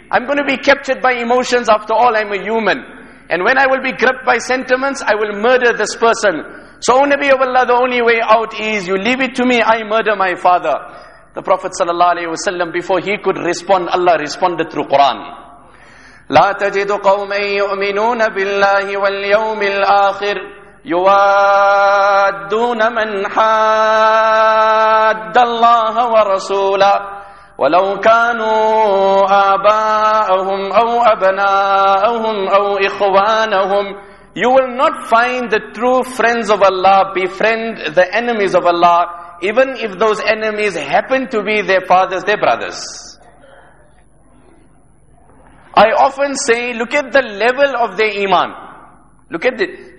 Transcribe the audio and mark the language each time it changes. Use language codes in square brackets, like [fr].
[en] I'm going to be captured by emotions. After all, I'm a human. And when I will be gripped by sentiments, I will murder this person. So, O Nabi of Allah, the only way out is you leave it to me, I murder my father. The Prophet sallallahu alaihi wasallam, before he could respond, Allah responded through Quran. [ar] لا تجد قوما يؤمنون بالله واليوم الآخر يوادون من حاد الله ورسوله ولو كانوا آباءهم أو أبناءهم أو إخوانهم. [en] You will not find the true friends of Allah befriend the enemies of Allah, even if those enemies happen to be their fathers, their brothers. I often say, look at the level of their iman. Look at it.